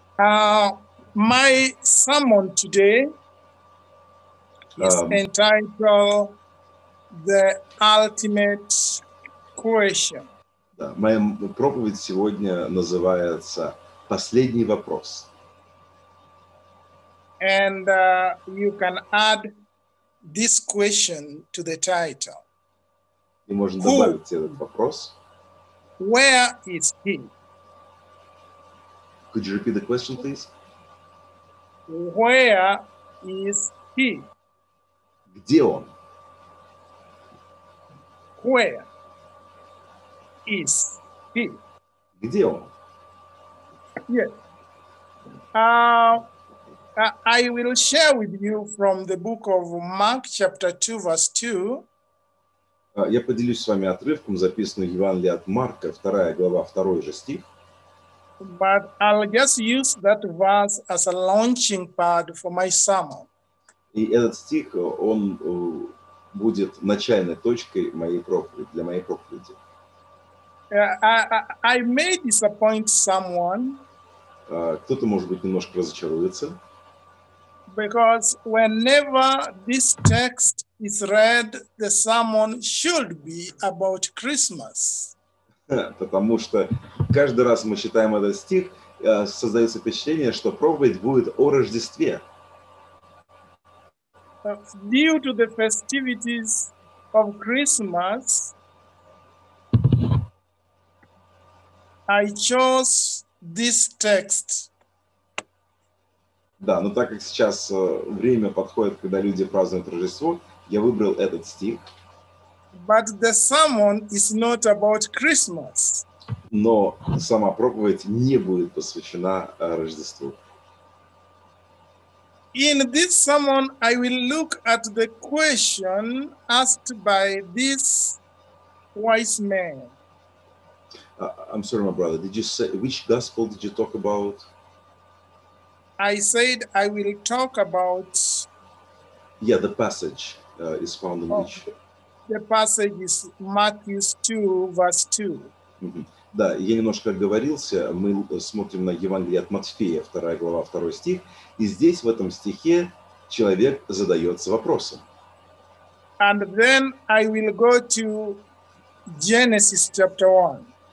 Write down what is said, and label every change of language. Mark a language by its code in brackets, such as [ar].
[en] My sermon today is entitled "The Ultimate Question." [ru] Да, моя проповедь сегодня называется «Последний вопрос». [en] And you can add this question to the title. [ru] И можно добавить этот вопрос. [en] Where is he? Could you repeat the question, please? Where is he? [ru] Где он? [en] Where is he? [ru] Где он? [en] Yes. I will share with you from the book of Mark, chapter 2, verse 2. [ru] Я поделюсь с вами отрывком, записанным в Евангелии от Марка, 2 глава, 2 же стих. [en] But I'll just use that verse as a launching pad for my sermon. [ru] И этот стих, он будет начальной точкой моей проповеди, для моей проповеди. [en] I may disappoint someone. [ru] Кто-то, может быть, немножко разочаруется. [en] Because whenever this text is read, the sermon should be about Christmas. [ru] Потому что каждый раз мы читаем этот стих, создается впечатление, что проповедь будет о Рождестве. [en] Due to the festivities of Christmas, I chose this text. [ru] Да, но так как сейчас время подходит, когда люди празднуют Рождество, я выбрал этот стих. [en] But the sermon is not about Christmas. [ru] Но сама проповедь не будет посвящена Рождеству. [en] In this sermon, I will look at the question asked by this wise man. I'm sorry, my brother. Did you say which gospel did you talk about? I said I will talk about. Yeah, the passage is found in which. The passage is Matthew 2, verse 2. [ru] Да, я немножко оговорился, мы смотрим на Евангелие от Матфея, 2 глава, 2 стих, и здесь, в этом стихе, человек задается вопросом. [en] And then I will go to Genesis chapter 1.